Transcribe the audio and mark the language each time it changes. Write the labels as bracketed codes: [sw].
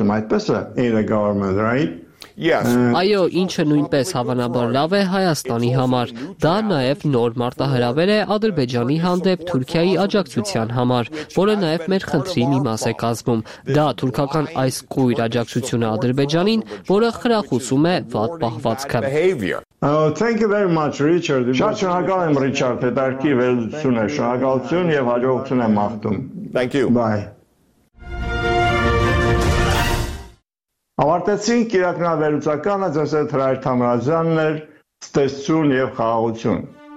[hy] պատճառով։ Այո, ինչը նույնպես հավանաբար լավ է Հայաստանի համար, դա նաև նոր մարտահրավեր է Ադրբեջանի հանդեպ Թուրքիայի աջակցության համար, որը նաև մեր խնդրի մի մաս է կազմում։ Դա թուրքական այս կույր աջակցությունը Ադրբեջանին, որը խրախուսում է վատ պահվածքը։ [en] Thank you very much, Richard. [hy] Շատ շնորհակալ եմ, Ռիչարդ, հետաքրքիր վերլուծություն է, շնորհակալություն եւ հաջողություն եմ մաղթում։ [en] Thank you. Bye. [hy] Ավարտեցին կիրակնավերուցականը, ձեզ հետ Հրայր Թամրազյանն էր, ստեսություն եւ խաղաղություն։